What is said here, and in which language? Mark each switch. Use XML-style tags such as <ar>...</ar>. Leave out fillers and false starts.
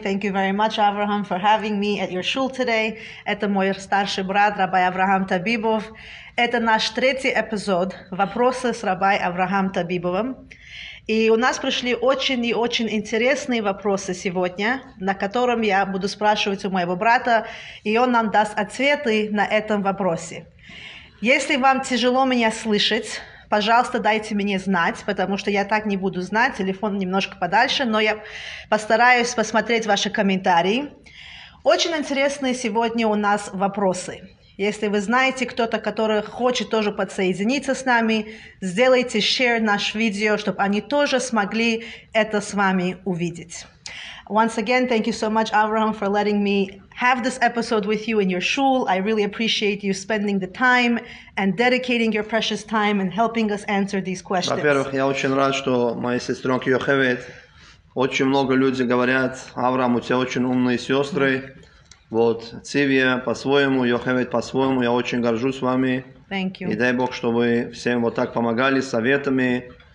<en>Thank you very much, Avraham, for having me at your shul today.</en> <ru>Это мой старший брат, Рабай Авраам Табибов. Это наш третий эпизод «Вопросы с Рабай Авраам Табибовым». И у нас пришли очень и очень интересные вопросы сегодня, на котором я буду спрашивать у моего брата, и он нам даст ответы на этом вопросе. Если вам тяжело меня слышать, пожалуйста, дайте мне знать, потому что я так не буду знать, телефон немножко подальше, но я постараюсь посмотреть ваши комментарии. Очень интересные сегодня у нас вопросы. Если вы знаете кто-то, который хочет тоже подсоединиться с нами, сделайте share наш видео, чтобы они тоже смогли это с вами увидеть.</ru> <en>Once again, thank you so much, Avraham, for letting me have this episode with you in your shul. I really appreciate you spending the time and dedicating your precious time and helping us answer these questions.</en> <ru>Во-первых, я очень рад, что моей сестренке Йохевет очень много людей говорят, Авраам, у тебя очень умные сестры. Вот, Цивия по-своему, Йохевет по-своему, я очень горжусь вами.</ru> <en>Thank you.</en> <ru>И дай Бог, чтобы всем вот так помогали советами.</ru>